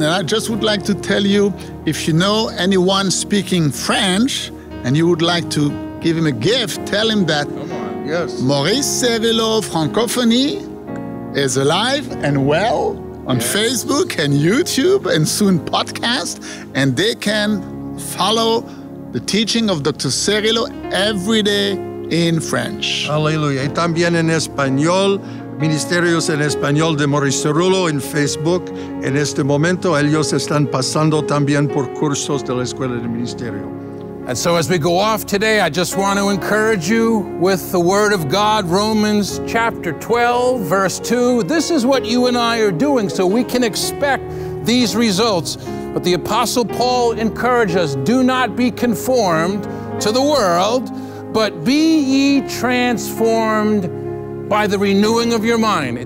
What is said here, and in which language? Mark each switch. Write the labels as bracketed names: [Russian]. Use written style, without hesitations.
[English] And I just would like to tell you, if you know anyone speaking French and you would like to give him a gift, tell him that. Come on. Yes. Maurice Cerullo, Francophonie, is alive and well on yes. Facebook and YouTube and soon podcast, and they can follow the teaching of Dr. Cerullo every day in French. [Spanish] Hallelujah. Y también en español, Ministerios en Español de Maurice Cerullo en Facebook. En este momento, ellos están pasando también por cursos de la Escuela de Ministerio. [English] And so as we go off today, I just want to encourage you with the Word of God, Romans chapter 12, verse 2. This is what you and I are doing, so we can expect these results. But the Apostle Paul encouraged us, do not be conformed to the world, but be ye transformed by the renewing of your mind.